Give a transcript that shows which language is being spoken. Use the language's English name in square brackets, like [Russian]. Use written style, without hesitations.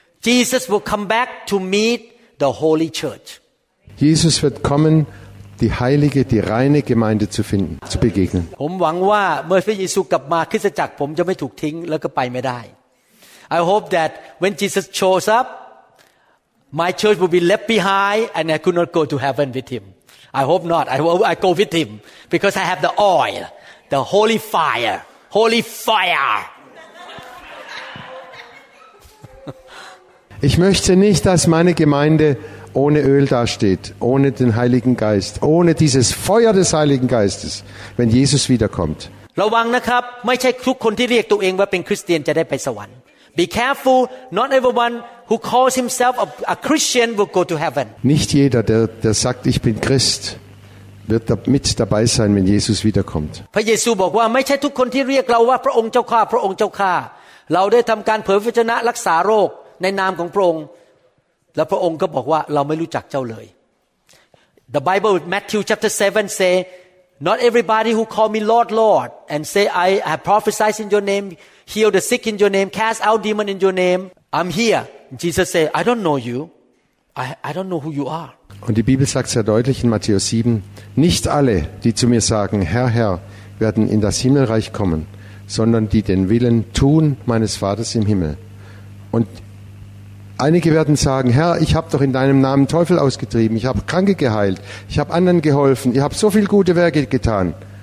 [English] Jesus will come back to meet the holy church. [German] Jesus wird kommen, die heilige, die reine Gemeinde zu finden, zu begegnen. [Thai] ผมหวังว่าเมื่อพระเยซูกลับมาคริสตจักรผมจะไม่ถูกทิ้งแล้วก็ไปไม่ได้ [English] I hope that when Jesus shows up, my church will be left behind and I could not go to heaven with him. I hope not. I go with him because I have the oil, the holy fire, holy fire. [German] Ich möchte nicht, dass meine Gemeinde ohne Öl dasteht, ohne den Heiligen Geist, ohne dieses Feuer des Heiligen Geistes, wenn Jesus wiederkommt. [Thai] ระวังนะครับไม่ใช่ทุกคนที่เรียกตัวเองว่าเป็นคริสเตียนจะได้ไปสวรรค์ [English] Be careful, not everyone who calls himself a Christian will go to heaven. [German] Nicht jeder, der sagt, ich bin Christ, wird mit dabei sein, wenn Jesus wiederkommt. [Thai] พระเยซูบอกว่าไม่ใช่ทุกคนที่เรียกเราว่าพระองค์เจ้าข้าพระองค์เจ้าข้าเราได้ทำการเผยพระชนะรักษาโรคในนามของพระองค์แล้วพระองค์ก็บอกว่าเราไม่รู้จักเจ้าเลย [English] The Bible with Matthew chapter 7 say, not everybody who call me Lord, Lord, and say I have prophesied in your nameHeal the sick in your name, cast out demon in your name. I'm here. Jesus said, I don't know you. I don't know who you are. [German] Und die Bibel sagt sehr deutlich in Matthäus 7, nicht alle, die zu mir sagen, Herr, Herr, werden in das Himmelreich kommen, sondern die den Willen tun meines Vaters im Himmel. Und einige werden sagen, Herr, ich habe doch in deinem Namen Teufel ausgetrieben, ich habe Kranke geheilt, ich habe anderen geholfen, ich habe so viele gute Werke getan.